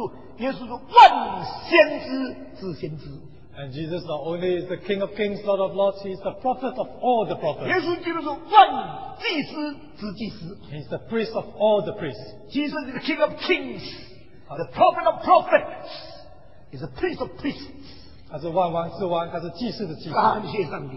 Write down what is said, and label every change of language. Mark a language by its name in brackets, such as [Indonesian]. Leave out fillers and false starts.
[Chinese] 认识了耶稣基督是万王之王，万主之主，耶稣是万先知之先知。 [English] And Jesus not only is the King of Kings, Lord of Lords, He is the prophet of all the prophets. [Chinese] 耶稣基督是万祭司之祭司。 [English] He is the priest of all the priests. Jesus is the King of Kings. The prophet of prophets is the priest of priests. [Chinese] 他是万王之王，他是祭司的祭司。感谢上帝。